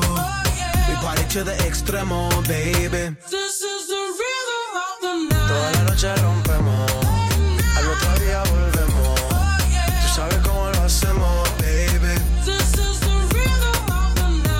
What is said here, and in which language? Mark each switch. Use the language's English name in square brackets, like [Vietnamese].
[English] Oh, yeah. We party to the extremo, baby. This is the rhythm of the night. [Spanish] Toda la noche rompemos. Oh, al otro día volvemos. [English] Oh, yeah. [Spanish] Tú sabes cómo lo hacemos, baby. [English] This is the rhythm of the night.